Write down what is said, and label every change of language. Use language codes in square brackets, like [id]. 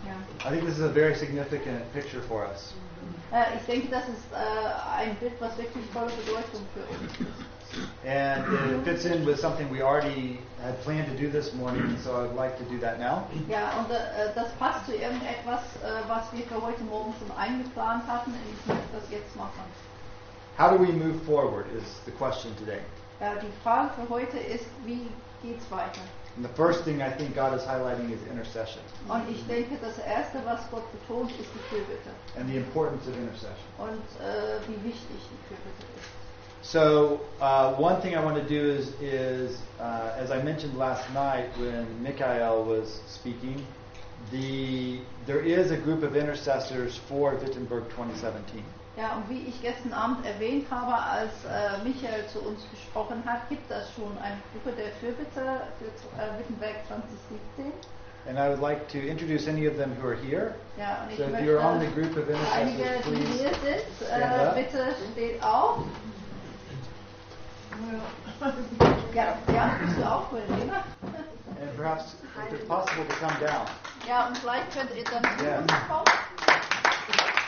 [en] Yeah. I think this is a very significant picture for us. [de] Ich denke, das ist ein Bild, was wirklich volle Bedeutung für uns ist. [en] And it fits in with something we already had planned to do this morning, so I'd like to do that now. [de] Yeah, und das passt zu irgendetwas, was wir für heute Morgen schon eingeplant hatten, und ich möchte das jetzt machen. [en] How do we move forward is the question today. [de] Die Frage für heute ist, wie geht's weiter? [en] And the first thing I think God is highlighting is intercession. [de] Und ich denke, das erste, was Gott betont, ist die Fürbitte. [en] And the importance of intercession. [de] Und wie wichtig die Fürbitte ist. [en] So one thing I want to do is as I mentioned last night when Mikael was speaking, there is a group of intercessors for Wittenberg 2017. [de] Ja, und wie ich gestern Abend erwähnt habe, als Michael zu uns gesprochen hat, gibt es schon eine Gruppe der Fürbitte für Wittenberg 2017. [en] And I would like to introduce any of them who are here. [de] Ja, und so ich [en] if you're on the group of intercessors, [de] einige, [en] please [de] die hier sind, [en] stand up. [de] Bitte steht auf. Ja, ja, bist du auch für Lena? [en] And perhaps, if it's possible, to come down. [de] Ja, und vielleicht könnt ihr dann zu uns kommen.